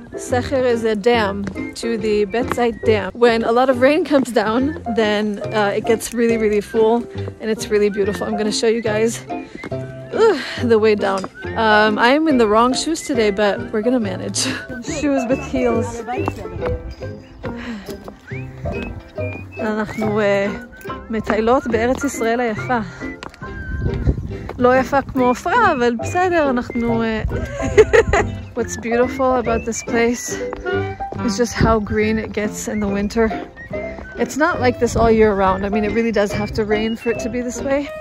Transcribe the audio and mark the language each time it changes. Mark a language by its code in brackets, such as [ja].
[en] Secher is a dam to the Beit Zait dam. When a lot of rain comes down, then it gets really, really full and it's really beautiful. I'm gonna show you guys the way down. I am in the wrong shoes today, but we're gonna manage. Shoes with heels. [he] אנחנו מטיילות בארץ ישראל היפה. לא יפה כמו אופרה, אבל בסדר, אנחנו... [en] What's beautiful about this place is just how green it gets in the winter. It's not like this all year round. I mean, it really does have to rain for it to be this way.